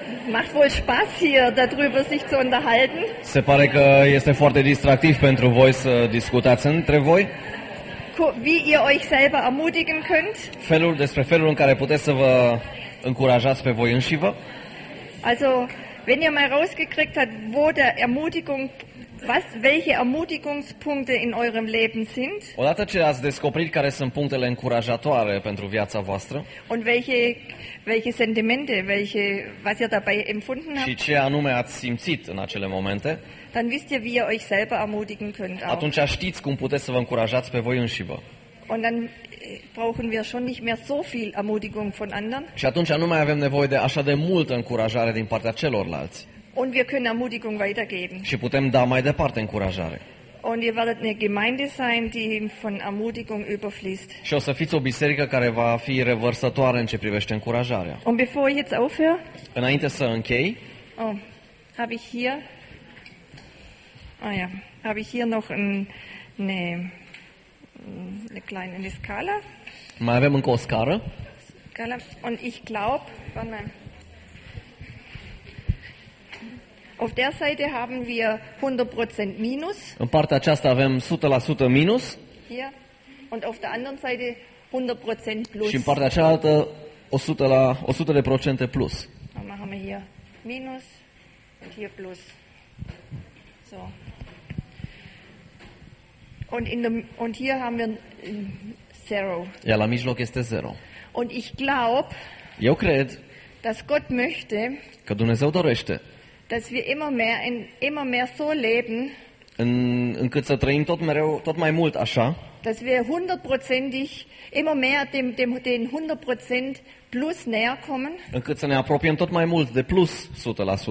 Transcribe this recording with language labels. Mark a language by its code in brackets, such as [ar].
[de] Macht wohl Spaß hier darüber sich zu unterhalten. [ro] Se pare că este foarte distractiv pentru voi să discutați între voi. [de] Wie ihr euch selber ermutigen könnt. [ro] Despre felul în care puteți să vă încurajați pe voi înșivă. [de] Also, wenn ihr mal rausgekriegt habt, wo der Ermutigung, was, welche Ermutigungspunkte in eurem Leben sind. [ro] Odată ce ați descoperit care sunt punctele încurajatoare pentru viața voastră. [de] Und welche Sentimente, welche, was ihr dabei empfunden habt. [ro] Și ce anume ați simțit în acele momente. [de] Dann wisst ihr, wie ihr euch selber ermutigen könnt. [ro] Atunci știți cum puteți să vă încurajați pe voi înșivă. [de] Und dann brauchen wir schon nicht mehr so viel Ermutigung von anderen. [ro] Și atunci nu mai avem nevoie de așa de multă încurajare din partea celorlalți. [de] Und wir können Ermutigung weitergeben. [ro] Și putem da mai departe încurajare. [de] Und ihr werdet eine Gemeinde sein, die von Ermutigung überfließt. [ro] Și o să fiți o biserică care va fi revărsătoare în ce privește încurajarea. [de] Und bevor ich jetzt aufhöre. [ro] Înainte să închei. [de] Oh, habe ich hier. Ah ja, habe ich hier noch eine kleine Skala. [ro] Mai avem încă o scară. [de] Skala. Und ich glaube, wann mal. Auf der Seite haben wir 100% minus. [ro] În partea aceasta avem 100% minus. [de] Hier. Und auf der anderen Seite 100% plus. [ro] Și în partea cealaltă 100% plus. [de] Dann machen wir hier minus und hier plus. So. Und und hier haben wir zero. [ro] Ja, la mijloc este zero. [de] Und ich glaube. [ro] Eu cred. [de] Dass Gott möchte. [ro] Că Dumnezeu dorește. [de] Dass wir immer mehr so leben. [ro] Încât să trăim tot mai mult așa. [de] Dass wir 100% immer mehr den 100% plus näher kommen. [ro] Încât să ne apropiem tot mai mult de plus 100%.